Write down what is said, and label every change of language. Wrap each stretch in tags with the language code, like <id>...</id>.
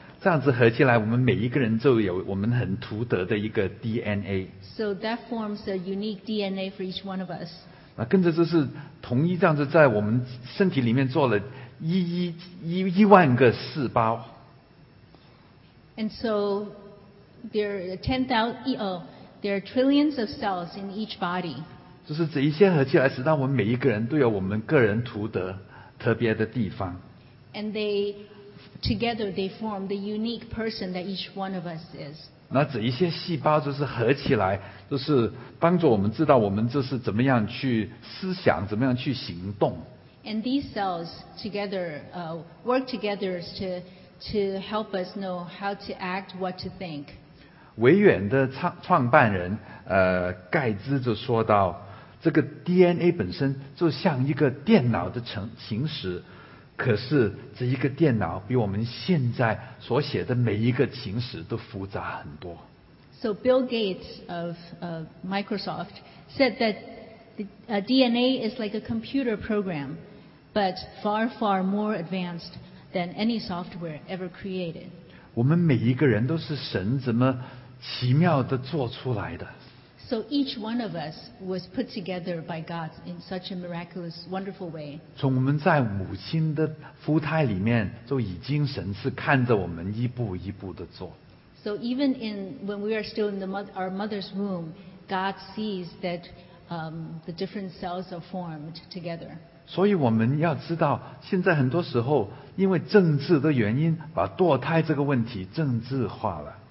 <zh>这样子合起来我们每一个人就有我们很独特的一个 DNA.</zh> <en>So that forms a unique DNA for each one of us.</en> <zh>那跟着就是同一这样子在我们身体里面做了一万个士巴。</zh> <en>And so there are 10,000, there are trillions of cells in each body.</en> <zh>就是这一些合起来，使到我们每一个人都有我们个人图的特别的地方。</zh> <en>And they together they form the unique person that each one of us is.</en> <zh>那这一些细胞就是合起来，就是帮助我们知道我们这是怎么样去思想，怎么样去行动。</zh> <en>And these cells together, work together to help us know how to act, what to think.</en> <zh>微软的创办人盖茨就说到，这个 DNA 本身就像一个电脑的程式，可是这一个电脑比我们现在所写的每一个程式都复杂很多。</zh> <en>So Bill Gates of Microsoft said that DNA is like a computer program. But far, far more advanced than any software ever created.</en> <zh>我们每一个人都是神怎么奇妙地做出来的。</zh> <en>So each one of us was put together by God in such a miraculous, wonderful way.</en> <zh>从我们在母亲的腹胎里面就已经神是看着我们一步一步地做。</zh> <en>So even in when we are still in our mother's womb, God sees that the different cells are formed together.</en> <zh>所以我们要知道，现在很多时候因为政治的原因，把堕胎这个问题政治化了。</zh>